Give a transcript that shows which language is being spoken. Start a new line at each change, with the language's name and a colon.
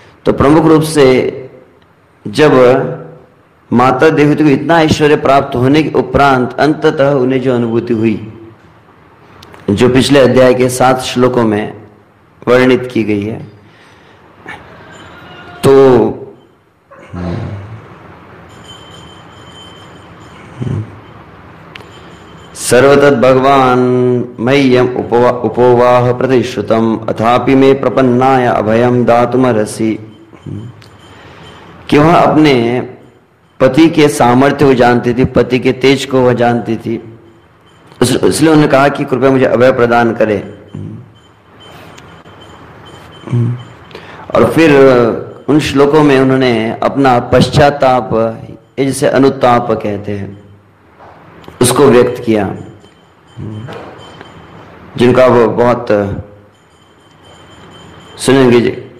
Hindi: तो प्रमुख रूप से जब माता देवहूति को इतना ऐश्वर्य प्राप्त होने के उपरांत अंततः उन्हें जो अनुभूति हुई, जो पिछले अध्याय के 7 श्लोकों में वर्णित की गई है, तो स
Sanskrit: सर्वतत् भगवान् मह्यम् उपोवाह प्रतिश्रुतम् अथापि मे प्रपन्नाय अभयम् दातुमर्हसि।
Hindi: कि वह अपने पति के सामर्थ्य को जानती थी, पति के तेज को वह जानती थी, इसलिए उन्होंने कहा कि कृपया मुझे अभय प्रदान करे। और फिर उन श्लोकों में उन्होंने अपना पश्चाताप, जिसे अनुताप कहते हैं, उसको व्यक्त किया, जिनका वो बहुत सुनेंगे जी।